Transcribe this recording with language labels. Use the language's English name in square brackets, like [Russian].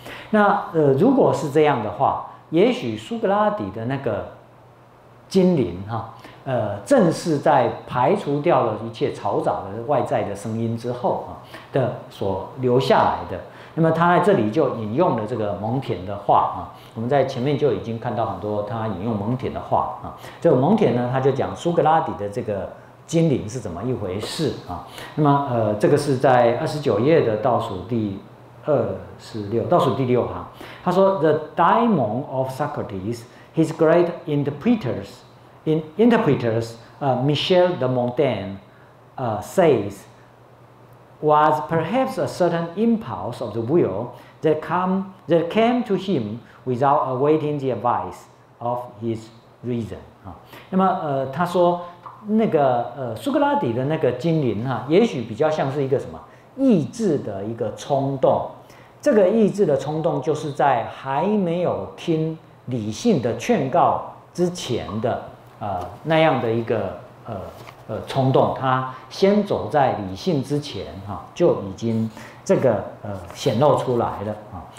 [Chinese] 那如果是这样的话，也许苏格拉底的那个精灵正是在排除掉了一切嘈杂的外在的声音之后的所留下来的。那么他在这里就引用了这个蒙恬的话，我们在前面就已经看到很多他引用蒙恬的话，这个蒙恬呢他就讲苏格拉底的这个精灵是怎么一回事。那么这个是在二十九页的倒数第六行，他说 [English] The daemon of Socrates, his great interpreters, Michel de Montaigne says, was perhaps a certain impulse of the will that came to him without awaiting the advice of his reason. [Chinese] 那么他说那个苏格拉底的那个精灵也许比较像是一个什么意志的一个冲动，这个意志的冲动就是在还没有听理性的劝告之前的那样的一个冲动，它先走在理性之前哈、就已经这个显露出来了啊。